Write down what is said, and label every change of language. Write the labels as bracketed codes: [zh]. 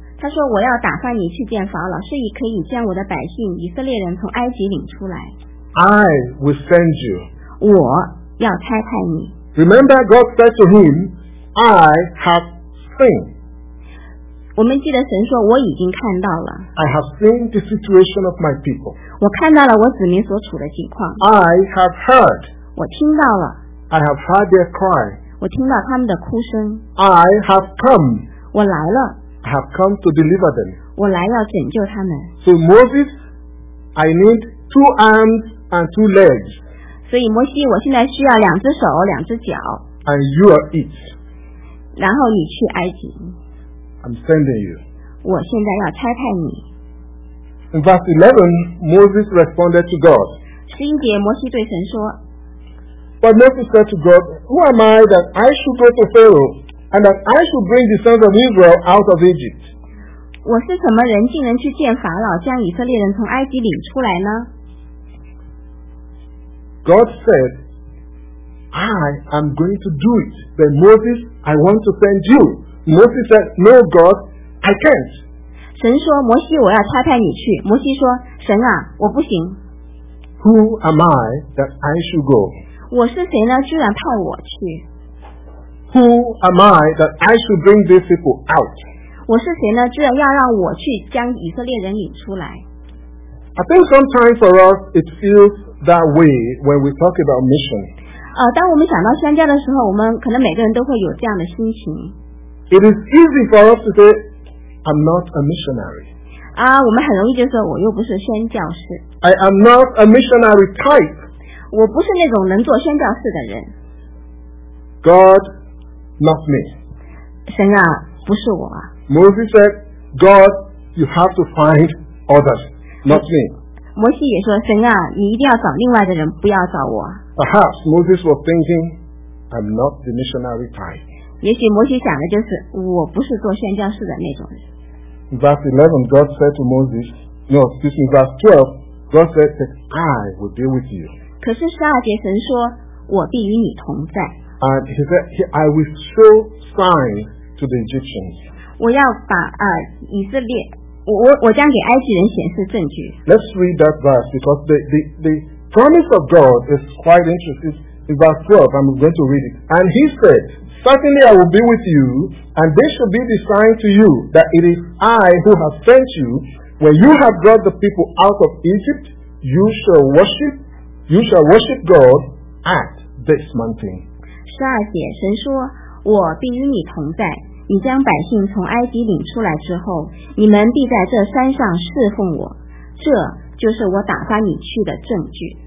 [zh] 他说我要打发你去见法老，是以可以将我的百姓以色列人从埃及领出来。 [en] I will send you. [zh] 我要差派你。 [en] Remember, God said to him, "I have seen." [zh] 我们记得神说我已经看到了。 [en] I have seen the situation of my people. [zh] 我看到了我子民所处的情况。 [en] I have heard. [zh] 我听到了。 [en] I have heard their cry. [zh] 我听到他们的哭声。 [en] I have come. [zh] 我来了。 [en] I have come to deliver them. [zh] 我来要拯救他们。 [en] So Moses, I need two arms and two legs. [zh] 所以摩西，我现在需要两只手，两只脚。 [en] And you are it. [zh] 然后你去埃及。 [en] I'm sending you. [zh] 我现在要差派你。 [en] In verse 11, Moses responded to God. [zh] 十一节，摩西对神说。 [en] But Moses said to God, "Who am I that I should go to Pharaoh?" And that I should bring the sons of Israel out of Egypt. [zh] 我是什么人，竟能去见法老，将以色列人从埃及领出来呢？ [en] God said, "I am going to do it." But Moses, "I want to send you." Moses said, "No, God, I can't." [zh] 神说，摩西，我要差派你去。摩西说，神啊，我不行。 [en] Who am I that I should go? [zh] 我是谁呢，居然派我去？ [en] Who am I that I should bring these people out? [zh] 我是谁呢？居然要让我去将以色列人引出来。 [en] I think sometimes for us it feels that way when we talk about mission. [zh] 当我们想到宣教的时候，我们可能每个人都会有这样的心情。 [en] It is easy for us to say, "I'm not a missionary." [zh] 我们很容易就说我又不是宣教士。 [en] I am not a missionary type. [zh] 我不是那种能做宣教士的人。 [en] God, not me. [zh] 神啊，不是我啊。 [en] Moses said, "God, you have to find others, not me." [zh] 摩西也说，神啊，你一定要找另外的人，不要找我。 [en] Perhaps Moses was thinking, "I'm not the missionary type." [zh] 也许摩西想的就是我不是做宣教士的那种人。 [en] Verse 11, God said to Moses, "No, excuse me." Verse 12, God said that I will be with you. [zh] 可是十二节神说我必与你同在。 [en] And he said, "I will show signs to the Egyptians." [zh] 我要把以色列，我将给埃及人显示证据。 [en] Let's read that verse because the promise of God is quite interesting. In verse 12, I'm going to read it. And he said, "Certainly I will be with you, and this shall be the sign to you that it is I who have sent you. When you have brought the people out of Egypt, you shall worship God at this mountain." [zh] 十二节，神说，我必与你同在。你将百姓从埃及领出来之后，你们必在这山上侍奉我。这就是我打发你去的证据。